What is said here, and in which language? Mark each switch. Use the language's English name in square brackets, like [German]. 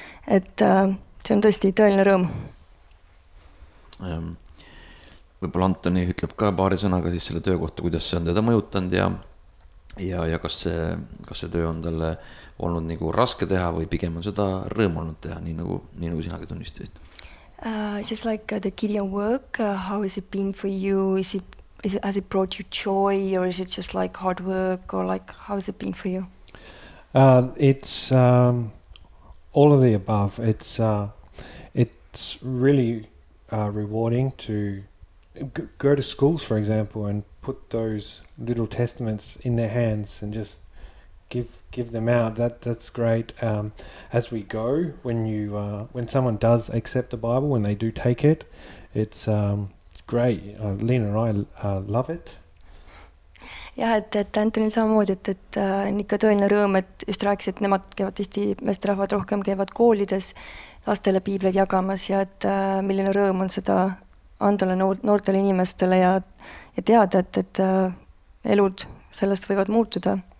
[Estonian] Et see on tõesti tõeline rõõm. Võibolla Antoni ütleb ka paari sõnaga siis selle töökohta, kuidas see on teda mõjutanud ja kas see töö on talle olnud nagu raske teha või pigem on seda rõõm olnud teha, nii nagu sinagi tunnistasid. [English] Just like the Gideon work, how has it been for you? Has it brought you joy or is it just like hard work or like how has it been for you? It's all of the above. It's really rewarding to go to schools, for example, and put those little testaments in their hands and just give them out. That's great. As we go, when someone does accept the Bible, when they do take it, it's great. Lena and I love it. [Estonian] Ja, et Antoni samamoodi, et on ikka tõeline rõõm, et just rääkis, et nemad käivad tihti, meesterahvad rohkem käivad koolides lastele piibleid jagamas ja et milline rõõm on seda andale noortele inimestele ja teada, et elud sellest võivad muutuda.